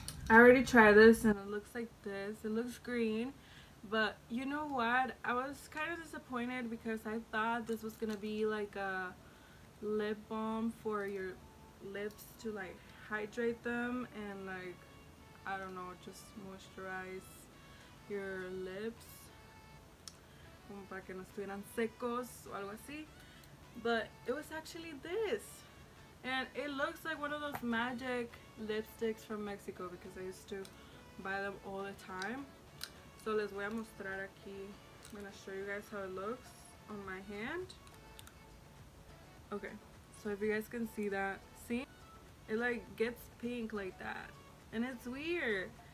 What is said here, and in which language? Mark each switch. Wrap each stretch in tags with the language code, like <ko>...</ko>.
<en>I already tried this and it looks like this. It looks green, but you know what? I was kind of disappointed because I thought this was gonna be like a lip balm for your lips to like hydrate them and like, I don't know, just moisturize your lips.</en> <es>Como para que no estuvieran secos o algo así.</es> <en>But it was actually this. And it looks like one of those magic lipsticks from Mexico because I used to buy them all the time. So</en> <es>les voy a mostrar aquí.</es> <en>I'm gonna show you guys how it looks on my hand. Okay, so if you guys can see that, see? It like gets pink like that. And it's weird.</en>